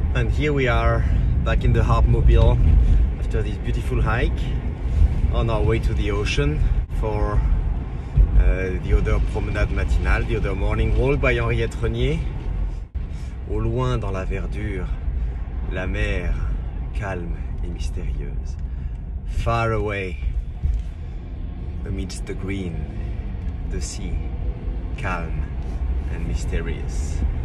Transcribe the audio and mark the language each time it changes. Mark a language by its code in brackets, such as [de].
[en] here we are back in the Harpmobile after this beautiful hike on our way to the ocean for the other [fr] promenade matinale, [en] the other morning walk by Henriette Renié. [fr] Au loin dans la verdure, la mer calme et mystérieuse. [en] Far away, amidst the green, the sea calm and mysterious.